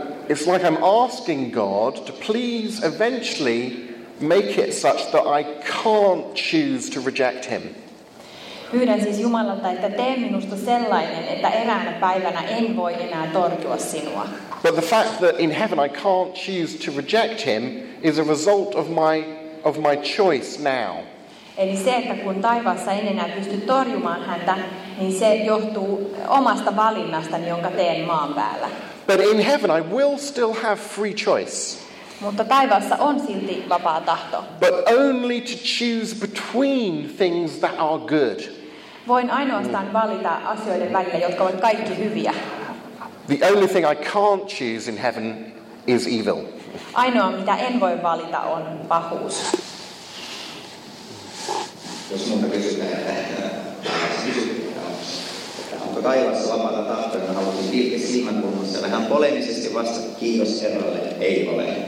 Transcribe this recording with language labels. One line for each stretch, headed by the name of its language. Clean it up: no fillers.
English: It's like I'm asking God to please eventually make it such that I can't choose to reject him.
Finnish: Pyydän siis Jumalalta, että tee minusta sellainen, että eräänä päivänä en voi enää torjua sinua.
English: But the fact that in heaven I can't choose to reject him is a result of my choice now.
Finnish: Eli se, että kun taivaassa en enää pysty torjumaan häntä, niin se johtuu omasta valinnastani, jonka teen maan päällä.
English: But in heaven I will still have free choice.
Finnish: Mutta taivaassa on silti vapaa tahto.
English: But only to choose between things that are good.
Finnish: Voin ainoastaan valita asioiden välillä, jotka ovat kaikki hyviä.
English: The only thing I can't choose in heaven is evil.
Finnish: Ainoa, mitä en voi valita, on pahuus. Jos minulta kysytään, että onko taivaassa vapaata tahtoa, niin haluaisin pilkki silmänkulmassa vähän polemisesti vastata, kiitos herralle, ei ole.